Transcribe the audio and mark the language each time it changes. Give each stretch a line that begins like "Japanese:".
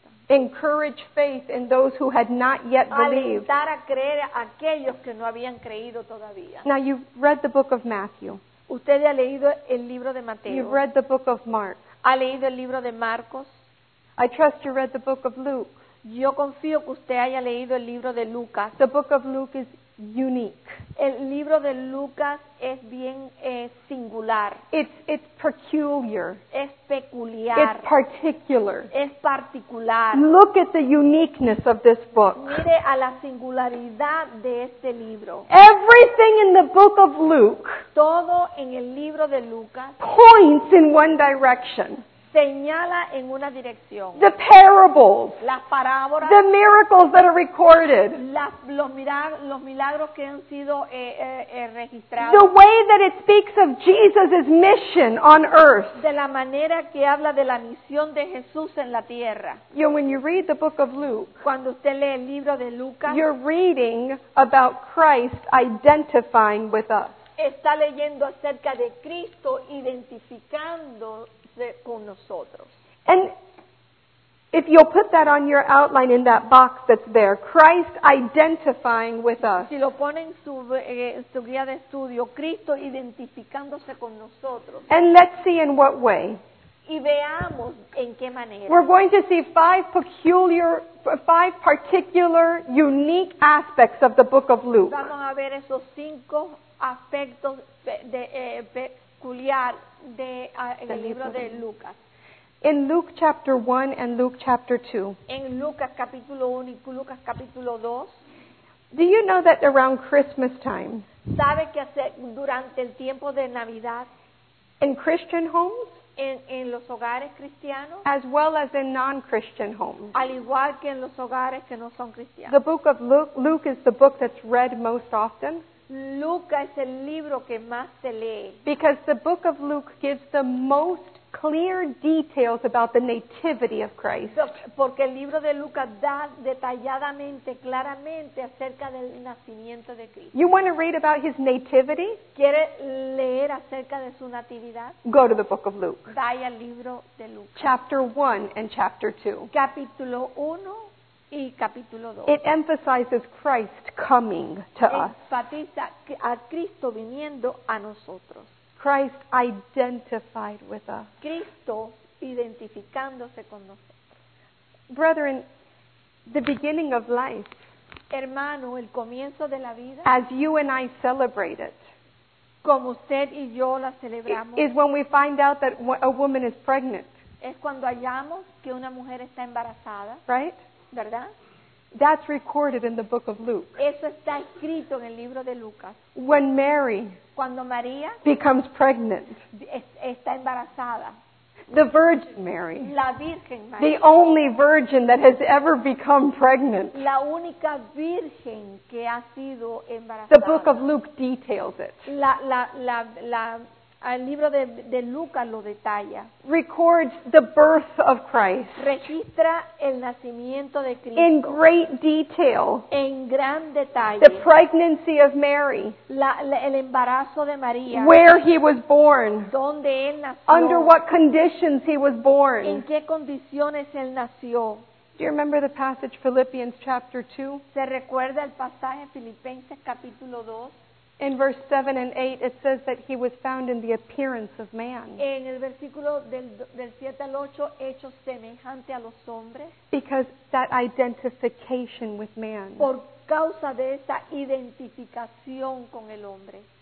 English: encourage faith in those who had not yet believed.
Spanish: Alentar a creer a aquellos que no habían creído todavía.
English: Now you've read the book of Matthew.
Spanish: Usted ha leído el libro de Mateo.
English: You've read the book of Mark.
Spanish: Ha leído el libro de Marcos.
English: I trust you read the book of Luke.
Spanish: Yo confío que usted haya leído el libro de Lucas.
English: The book of Luke is unique.
Spanish: El libro de Lucas es bien singular.
English: It's peculiar.
Spanish: Es peculiar.
English: It's particular.
Spanish: Es particular.
English: Look at the uniqueness of this book.
Spanish: Mire a la singularidad de este libro.
English: Everything in the book of Luke.
Spanish: Todo en el libro de Lucas.
English: Points in one direction.
Spanish: Señala en una dirección.
English: The parables.
Spanish: Las parábolas.
English: The miracles that are recorded.
Spanish: Los milagros que han sido registrados.
English: The way that it speaks of Jesus' mission on earth.
Spanish: De la manera que habla de la misión de Jesús en la tierra.
English: You know, when you read the book of Luke,
Spanish: cuando usted lee el libro de Lucas,
English: you're reading about Christ identifying with us.
Spanish: Está leyendo acerca de Cristo identificando con nosotros.
English: And if you'll put that on your outline in that box that's there, Christ identifying with us.
Spanish: Si lo pone en su guía de estudio, Cristo identificándose con nosotros.
English: And let's see in what way.
Spanish: Y veamos en qué manera.
English: We're going to see five particular, unique aspects of the book of Luke.
Spanish: Vamos a ver esos cinco aspectos del libro de Lucas.
English: In Luke chapter 1 and Luke chapter 2.
Spanish: En Lucas capítulo 1 y Lucas capítulo 2.
English: Do you know that around Christmas time?
Spanish: ¿Sabe que hace durante el tiempo de Navidad?
English: In Christian homes?
Spanish: En los hogares cristianos.
English: As well as in non-Christian homes.
Spanish: Al igual que en los hogares que no son cristianos.
English: The book of Luke is the book that's read most often.
Spanish: Lucas es el libro que más se lee.
English: Because the book of Luke gives the most clear details about the nativity of Christ.
Spanish: Porque el libro de Lucas da detalladamente, claramente acerca del nacimiento de Cristo.
English: You want to read about his nativity?
Spanish: ¿Quiere leer acerca de su natividad?
English: Go to the book of Luke.
Spanish: Vaya al libro de Lucas.
English: Chapter 1 and chapter 2.
Spanish: Capítulo 1. Y capítulo 2.
English: It emphasizes Christ coming to us.
Spanish: Enfatiza a Cristo viniendo a nosotros.
English: Christ identified with us.
Spanish: Cristo identificándose con nosotros.
English: Brethren, the beginning of life.
Spanish: Hermano, el comienzo de la vida.
English: As you and I celebrate it.
Spanish: Como usted y yo la celebramos.
English: Is when we find out that a woman is pregnant.
Spanish: Es cuando hallamos que una mujer está embarazada.
English: Right?
Spanish: ¿Verdad?
English: That's recorded in the book of Luke.
Spanish: Eso está escrito en el libro de Lucas.
English: When Mary,
Spanish: cuando María,
English: becomes pregnant,
Spanish: está embarazada.
English: The Virgin Mary,
Spanish: la Virgen María,
English: the only virgin that has ever become pregnant,
Spanish: la única virgen que ha sido embarazada.
English: The book of Luke details it.
Spanish: El libro de Lucas lo detalla.
English: Records the birth of Christ.
Spanish: Registra el nacimiento de Cristo.
English: In great detail.
Spanish: En gran detalle.
English: The pregnancy of Mary.
Spanish: El embarazo de María.
English: Where he was born.
Spanish: Donde él nació.
English: Under what conditions he was born.
Spanish: En qué condiciones él nació.
English: Do you remember the passage Philippians chapter 2?
Spanish: ¿Se recuerda el pasaje Filipenses capítulo 2?
English: In verse 7 and 8, it says that he was found in the appearance of man.
Spanish: En el versículo del 7 al 8, hecho semejante a los hombres.
English: Because that identification with man.
Spanish: Por causa de esa identificación con el hombre.